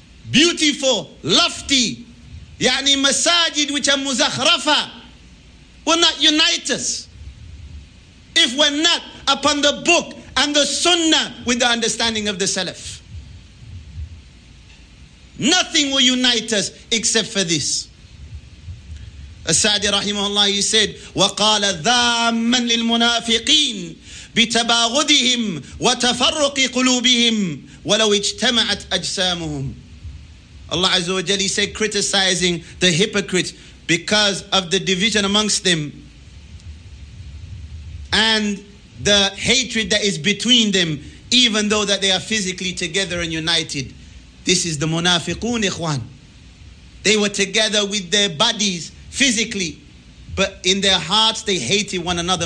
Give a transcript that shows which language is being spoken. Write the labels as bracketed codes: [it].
[en] beautiful, lofty, yani masajid which are muzakhrafa, will not unite us if we're not upon the book and the sunnah with the understanding of the Salaf. Nothing will unite us except for this. As-Sa'di rahimahullah, he said, [ar] وَقَالَ ذَامًا لِلْمُنَافِقِينَ بِتَبَاغُدِهِمْ وَتَفَرُّقِ قُلُوبِهِمْ وَلَوْ اجْتَمَعَتْ أَجْسَامُهُمْ. [en] Allah Azza wa Jalla, he said, criticizing the hypocrites because of the division amongst them and the hatred that is between them, even though that they are physically together and united. This is the munafiqoon, ikhwan. They were together with their bodies physically, but in their hearts they hated one another.